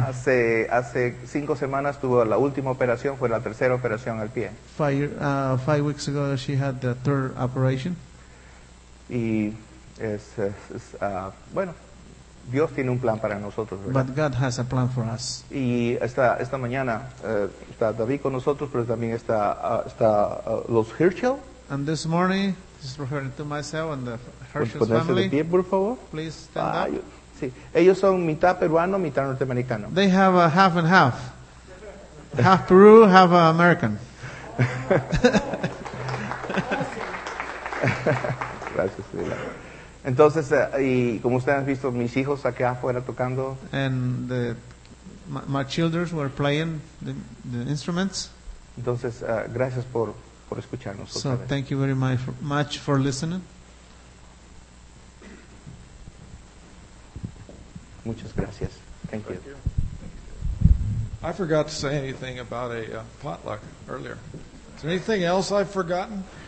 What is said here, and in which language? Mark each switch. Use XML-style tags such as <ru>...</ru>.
<es>Hace 5 semanas tuvo la última operación, fue la tercera operación al pie.</es> <en>Five weeks ago she had the third operation.</en> <es>Y es bueno. Dios tiene un plan para nosotros, ¿verdad?</es> <en>But God has a plan for us.</en> <es>Y esta mañana está David con nosotros, pero también está los Herschel.</es> <en>And this morning, this is referring to myself and the Herschel family.</en> <es>¿Puedes ponerse de pie, por favor?</es> <en>Please stand up.</en> <es>Sí. Ellos son mitad peruano, mitad norteamericano.</es> <en>They have a half and half. Half Peru, half American.</en> <es>Gracias, Lila. Entonces, y como ustedes han visto, mis hijos acá afuera tocando.</es> <en>And my children were playing the instruments.</en> <es>Entonces, gracias por escucharnos.</es> <en>So, thank you very much for listening.</en> <es>Muchas gracias.</es> <en>Thank you. Thank you. I forgot to say anything about a potluck earlier. Is there anything else I've forgotten?</en>